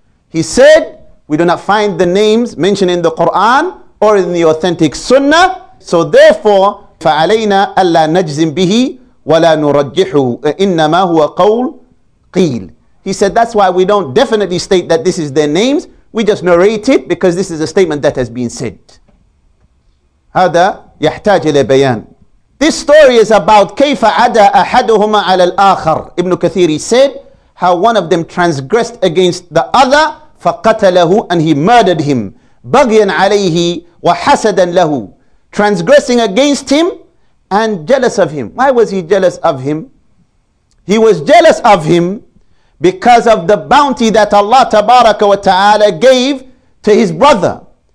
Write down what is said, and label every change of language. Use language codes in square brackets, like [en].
[en] He said, we do not find the names mentioned in the Qur'an or in the authentic sunnah, so therefore, [ar] فَعَلَيْنَا أَلَّا نَجْزِمْ بِهِ وَلَا نُرَجِّحُهُ إِنَّمَا هُوَ قَوْلْ قِيلْ. [en] He said, that's why we don't definitely state that this is their names, we just narrate it because this is a statement that has been said. [ar] هذا يحتاج إلى بيان. [en] This story is about [ar] كَيْفَ عَدَى أَحَدُهُمَا عَلَى الْآخَرِ. [en] Ibn Kathir, he said, how one of them transgressed against the other, [ar] فَقَتَلَهُ, [en] and he murdered him. [ar] بَغْيًا عَلَيْهِ وَحَسَدًا لَهُ. [en] Transgressing against him and jealous of him. Why was he jealous of him? He was jealous of him because of the bounty that Allah Tabaraka wa Ta'ala gave to his brother.